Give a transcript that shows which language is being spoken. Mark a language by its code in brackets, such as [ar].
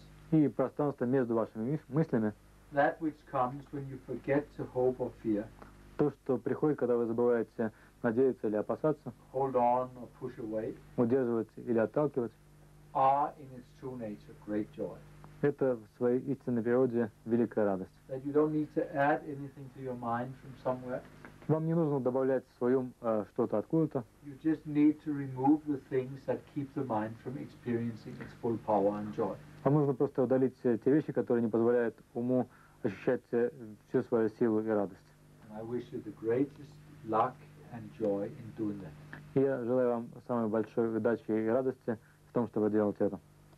[ru] И пространство между вашими мыслями. То, что приходит, когда вы забываете надеяться или опасаться. [en] Hold on or push away. [ru] Удерживать или отталкивать. Это в своей истинной природе великая радость. [en] That you don't need to add anything to your mind from somewhere. [ru] Вам не нужно добавлять в своем что-то откуда-то. [en] You just need to remove the things that keep the mind from experiencing its full power and joy. [ru] Вам нужно просто удалить те вещи, которые не позволяют уму ощущать всю свою силу и радость. [en] And I wish you the greatest luck and joy in doing that. [ru] Я желаю вам самой большой удачи и радости в том, что вы делаете это.